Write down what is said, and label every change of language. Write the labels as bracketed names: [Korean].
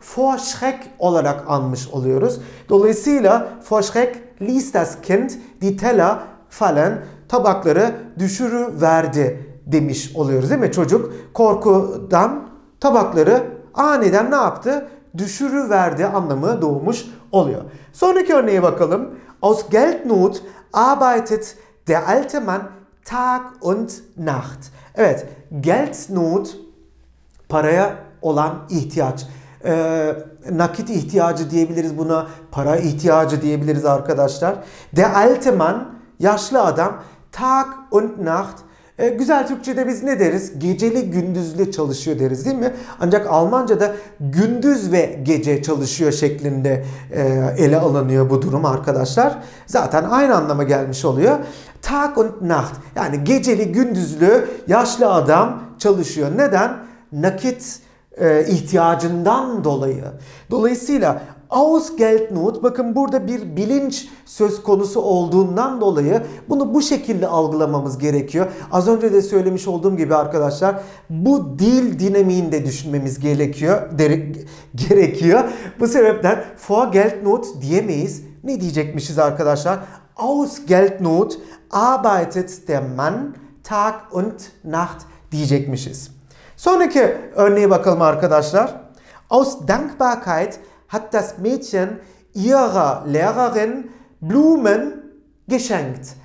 [German] Vor Schreck olarak anmış oluyoruz. Dolayısıyla Vor Schreck ließ das Kind die Teller fallen, [Turkish] tabakları düşürüverdi demiş oluyoruz değil mi? Çocuk korkudan tabakları aniden ne yaptı? Düşürüverdi anlamı doğmuş oluyor. Sonraki örneğe bakalım. [German] Aus Geldnot arbeitet der alte Mann Tag und Nacht. [Turkish] Evet, Geldnot, paraya olan ihtiyaç. Nakit ihtiyacı diyebiliriz buna, para ihtiyacı diyebiliriz arkadaşlar. Der alte Mann, yaşlı adam, Tag und Nacht. Güzel Türkçe'de biz ne deriz? Geceli gündüzlü çalışıyor deriz değil mi? Ancak Almanca'da gündüz ve gece çalışıyor şeklinde ele alınıyor bu durum arkadaşlar. Zaten aynı anlama gelmiş oluyor. Tag und Nacht, yani geceli gündüzlü yaşlı adam çalışıyor. Neden? Nakit ihtiyacından dolayı. Dolayısıyla aus Geldnot, bakın burada bir bilinç söz konusu olduğundan dolayı bunu bu şekilde algılamamız gerekiyor. Az önce de söylemiş olduğum gibi arkadaşlar, bu dil dinamiğinde düşünmemiz gerekiyor. Bu sebepten vor Geldnot diyemeyiz. Ne diyecekmişiz arkadaşlar? [German] Aus Geldnot arbeitet der Mann Tag und Nacht [Turkish] diyecekmişiz. Sonraki örneğe bakalım arkadaşlar. [German] Aus Dankbarkeit hat das Mädchen ihrer Lehrerin Blumen geschenkt.